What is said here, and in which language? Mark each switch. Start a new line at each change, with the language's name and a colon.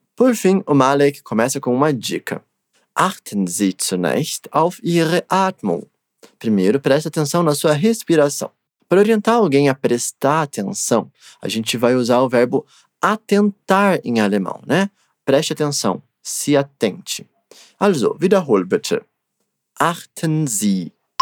Portuguese: Por fim, o Malek começa com uma dica.
German: Achten Sie zunächst auf Ihre Atmung.
Portuguese: Primeiro, preste atenção na sua respiração. Para orientar alguém a prestar atenção, a gente vai usar o verbo atentar em alemão, né? Preste atenção, se atente.
German: Also, wiederhol bitte. Achten Sie.